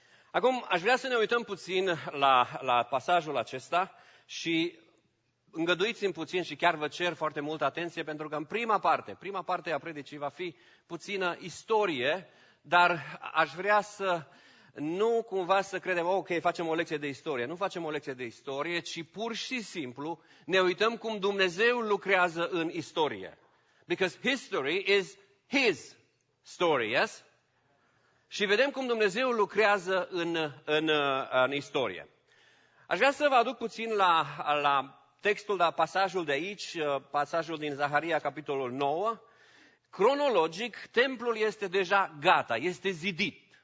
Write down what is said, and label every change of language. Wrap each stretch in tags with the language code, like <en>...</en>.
<ro>Acum, aș vrea să ne uităm puțin la pasajul acesta și îngăduiți-mi puțin și chiar vă cer foarte multă atenție, pentru că în prima parte a predicii va fi puțină istorie, dar aș vrea să nu cumva să credem, ok, facem o lecție de istorie. Nu facem o lecție de istorie, ci pur și simplu ne uităm cum Dumnezeu lucrează în istorie.</ro> <en>Because history is His story, yes?</en> <ro>Și vedem cum Dumnezeu lucrează în istorie. Aș vrea să vă aduc puțin la textul, la pasajul de aici, pasajul din Zaharia, capitolul 9. Cronologic, templul este deja gata, este zidit.</ro>